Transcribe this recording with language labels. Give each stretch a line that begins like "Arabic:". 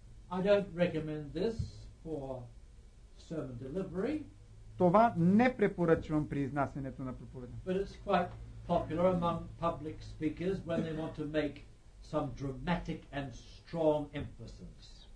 English: I don't recommend this for sermon delivery.
Bulgarian: Това не препоръчвам при изнасянето на проповеда.
English: But it's quite popular among public speakers when they want to make some dramatic and strong emphasis.